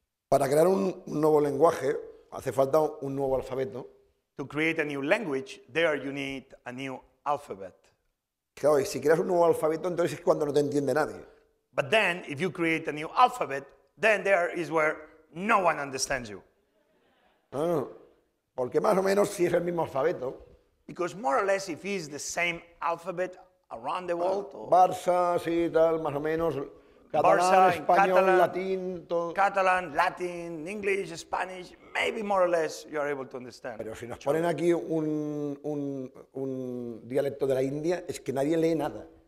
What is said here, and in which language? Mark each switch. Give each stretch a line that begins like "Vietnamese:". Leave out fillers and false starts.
Spanish: Para crear un nuevo lenguaje hace falta un nuevo alfabeto.
English: To create a new language, there you need a new alphabet.
Spanish: Claro, y si creas un nuevo alfabeto, entonces es cuando no te entiende nadie.
English: But then, if you create a new alphabet, then there is where no one understands you.
Spanish: No, porque más o menos si es el mismo alfabeto.
English: Because more or less, if it's the same alphabet around the world.
Spanish: Barça, sí, tal, más o menos. Catalán, español, latín, todo.
English: Catalan, Latin, English, Spanish. Maybe more or less you are able to understand.
Spanish: Pero si nos ponen aquí un dialecto de la India, es que nadie lee nada.